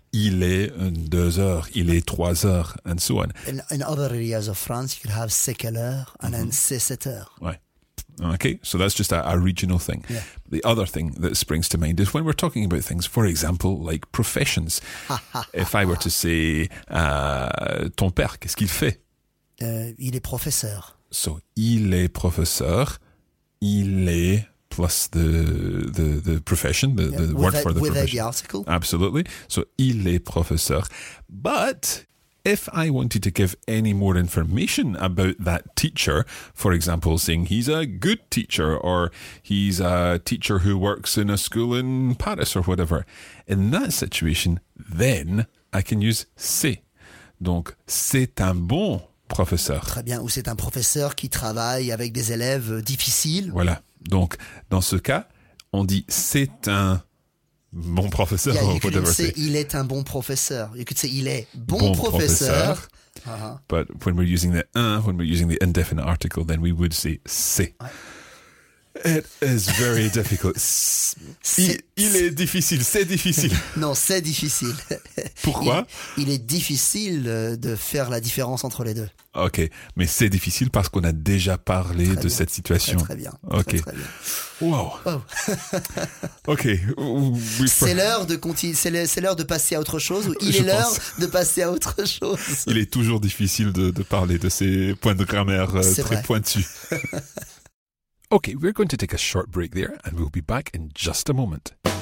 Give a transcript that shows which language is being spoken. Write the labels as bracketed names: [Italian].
[French] Il est deux heures, il est trois heures, [English] and so on. In other areas of France, you could have [French] c'est quelle heure, [English] and mm-hmm. [French] then c'est sept heures. [English] Right. Okay, so that's just a regional thing. Yeah. The other thing that springs to mind is when we're talking about things, for example, like professions. If I were to say, [French] ton père, qu'est-ce qu'il fait? Il est professeur. So, il est professeur, il est... [English] plus the profession, the yeah, word with for the with profession. The article. Absolutely. So, il est professeur. But if I wanted to give any more information about that teacher, for example, saying he's a good teacher or he's a teacher who works in a school in Paris or whatever, in that situation, then I can use c'est. [French] Donc, c'est un bon professeur. Très bien. Ou c'est un professeur qui travaille avec des élèves difficiles. Voilà. Donc, dans ce cas, on dit c'est un bon professeur. [English] Yeah, you could say c'est. [French] Il est un bon professeur. [English] You could say [French] il est bon professeur. [English] Uh-huh. But when we're using the un, when we're using the indefinite article, then we would say c'est. Ouais. It is very difficult. [French] Il est difficile. C'est difficile. Non, c'est difficile. Pourquoi? Il est difficile de faire la différence entre les deux. Ok, mais c'est difficile parce qu'on a déjà parlé très de bien. Cette situation. Très, très bien. Ok. Très, très bien. [English] Wow. Ok. [French] C'est l'heure de passer à autre chose ou il Je est L'heure de passer à autre chose. Il est toujours difficile de parler de ces points de grammaire c'est très vrai. Pointus. [English] Ok, we're going to take a short break there and we'll be back in just a moment.